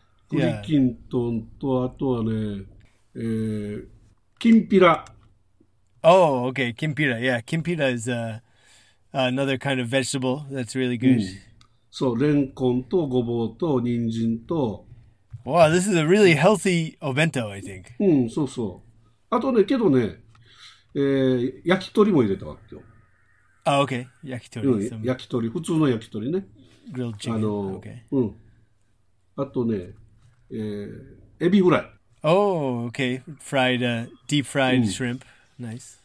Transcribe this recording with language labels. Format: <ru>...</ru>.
<ja>栗きんとんとあとはね、きんぴら。</ja> <en>Oh, okay, きんぴら. Yeah, きんぴら is another kind of vegetable that's really good.</en> <ja>そう、れんこんとごぼうとにんじんと。</ja> <en>Wow, this is a really healthy obento, I think.</en> <ja>そうそう。あとね、けどね、焼き鳥も入れたわけよ。</ja> <en>Ah, okay, 焼き鳥。</en> <ja>焼き鳥、普通の焼き鳥ね。</ja> <en>Grilled chicken, okay.</en> <ja>あとね、エビフライ。</ja> <en>Oh, okay. Fried, deep fried shrimp. Nice.</en>